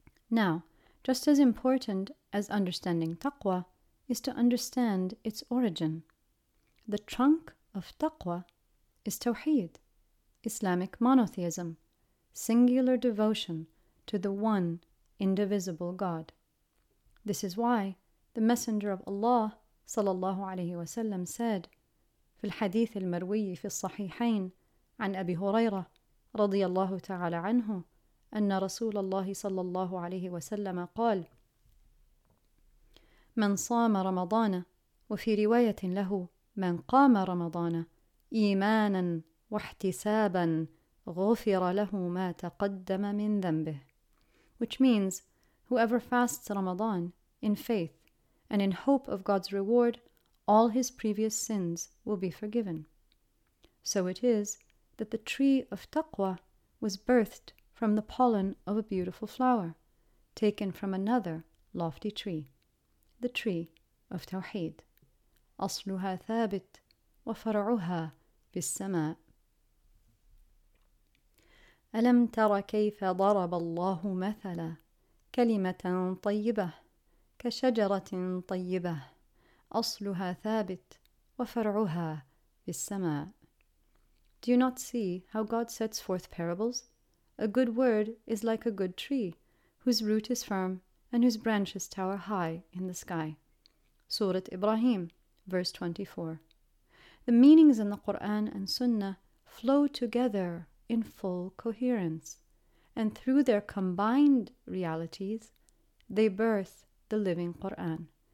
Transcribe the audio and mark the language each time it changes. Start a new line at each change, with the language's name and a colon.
English: Now, just as important as understanding taqwa is to understand its origin. The trunk of taqwa is tawheed, Islamic monotheism, singular devotion to the one indivisible God. This is why the Messenger of Allah sallallahu alayhi wa sallam said,
Arabic: في الحديث المروي في الصحيحين عن أبي هريرة رضي الله تعالى عنه أن رسول الله صلى الله عليه وسلم قال من صام رمضان وفي رواية له من قام رمضان إيمانا واحتسابا غفر له ما تقدم من ذنبه.
English: Which means, whoever fasts Ramadan in faith and in hope of God's reward, all his previous sins will be forgiven. So it is that the tree of taqwa was birthed from the pollen of a beautiful flower, taken from another lofty tree, the tree of tawheed.
Arabic: أصلها ثابت وفرعها في السماء. ألم تر كيف ضرب الله مثلا كلمة طيبة كشجرة طيبة أصلها ثابت وفرعها في السماء.
English: Do you not see how God sets forth parables? A good word is like a good tree, whose root is firm and whose branches tower high in the sky. Surat Ibrahim, verse 24. The meanings in the Quran and Sunnah flow together in full coherence, and through their combined realities, they birth the living Quran.